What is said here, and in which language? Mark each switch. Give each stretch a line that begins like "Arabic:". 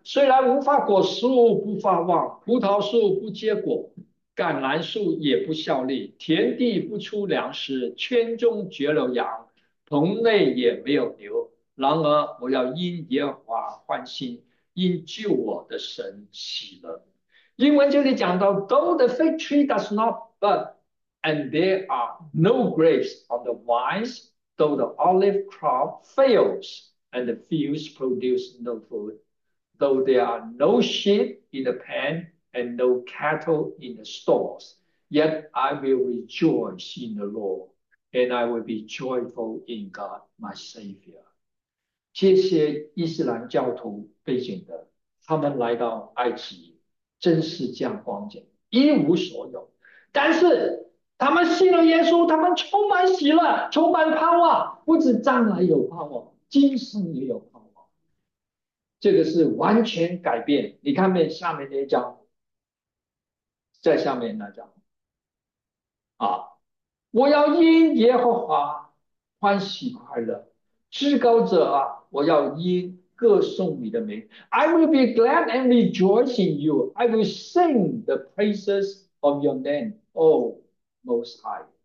Chinese: 虽然无法果树不发旺，葡萄树不结果，橄榄树也不效力，田地不出粮食，圈中绝了羊，棚内也没有牛。然而我要因耶和华欢心，因救我的神喜乐。英文这里讲到，
English: Though the fig tree does not bud, and there are no grapes on the vines, though the olive crop fails, and the fields produce no food, though there are no sheep in the pen and no cattle in the stalls, yet I will rejoice in the Lord, and I will be joyful in God my Savior.
Chinese: 这些伊斯兰教徒背景的，他们来到埃及，真是这样光景，一无所有，但是他们信了耶稣，他们充满喜乐，充满盼望，不止将来有盼望，今生也有盼望，这个是完全改变。你看面下面那一张，在下面来讲，我要因耶和华欢喜快乐，至高者啊，我要因歌颂你的名。
English: I will be glad and rejoice in you. I will sing the praises of your name, O Most High.